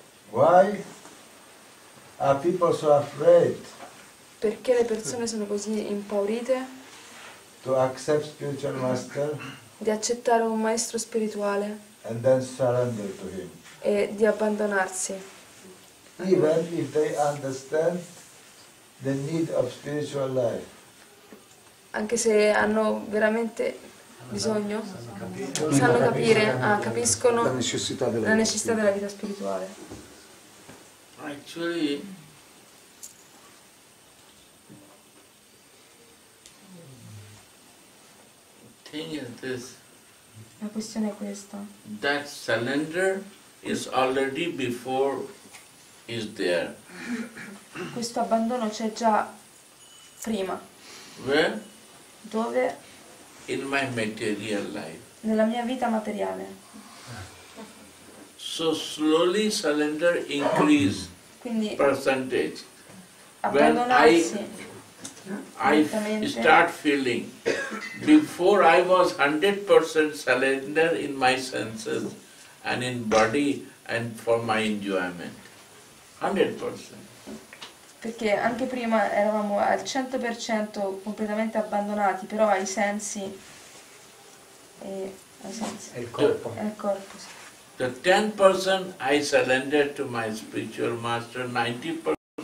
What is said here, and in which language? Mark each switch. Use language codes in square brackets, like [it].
[en] Why are people so afraid? [it] Perché le persone sono così impaurite? [en] To accept spiritual master. [it] Di accettare un maestro spirituale. [en] And then surrender to him. [it] E di abbandonarsi. [en] Even if they understand the need of spiritual life. [it] Anche se hanno veramente bisogno, sanno capire, capiscono la necessità della vita spirituale. [en] Actually, thing is this. [it] La questione è questa. [en] That surrender is already before is there. [it] Questo abbandono c'è già prima. [en] Where? [it] Dove? [en] In my material life. [it] Nella mia vita materiale. [en] So slowly surrender increase. [it] Quindi [en] percentage. [it] Abbandonarsi. [en] I start feeling. Before I was 100% surrender in my senses and in body and for my enjoyment. 100%. [it] Perché anche prima eravamo al 100% completamente abbandonati, però ai sensi e ai sensi. Il corpo. Il corpo, sì. [en] The 10% I surrender to my spiritual master, 90%.